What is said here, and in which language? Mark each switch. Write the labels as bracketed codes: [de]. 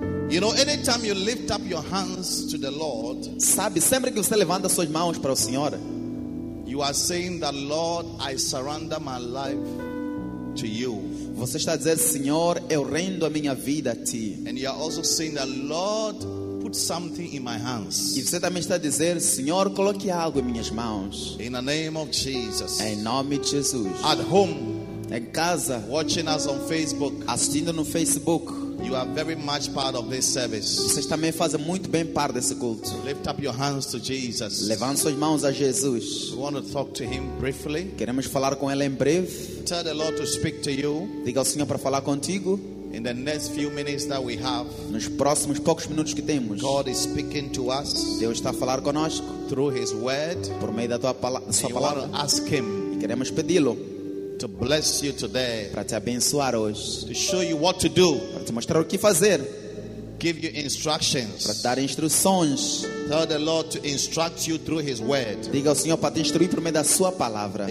[en] You know, anytime you lift up your hands to the Lord, [pt] sabe, sempre que você levanta suas mãos para o Senhor, [en] you are saying that, Lord, I surrender my life to you. [pt] Você está dizendo, Senhor, eu rendo a minha vida a ti. [en] And you are also saying that, Lord, put something in my hands. [pt] E você também está dizendo, Senhor, coloque algo em minhas mãos. [en] In the name of Jesus. [pt] Em nome de Jesus. [en] At home. [pt] Em casa. [en] Watching us on Facebook. [pt] Assistindo no Facebook. [en] You are very much part of this service. [pt] Vocês também fazem muito bem parte desse culto. [en] Lift up your hands to Jesus. [pt] Levante suas mãos a Jesus. [en] We want to talk to him briefly. [pt] Queremos falar com ele em breve. [en] Tell the Lord to speak to you. [pt] Diga ao Senhor para falar contigo. [en] In the next few minutes that we have. [pt] Nos próximos poucos minutos que temos. [en] God is speaking to us. [pt] Deus está a falar conosco. [en] Through his word. [pt] Por meio da sua palavra. [en] And we want to ask him. [pt] E queremos pedi-lo. [en] To bless you today. [pt] Para te abençoar hoje. [en] To show you what to do. [pt] Para te mostrar o que fazer. [en] Give you instructions. [pt] Para dar instruções. [en] Tell the Lord to instruct you through his word. [pt] Diga ao Senhor para te instruir por meio da sua palavra.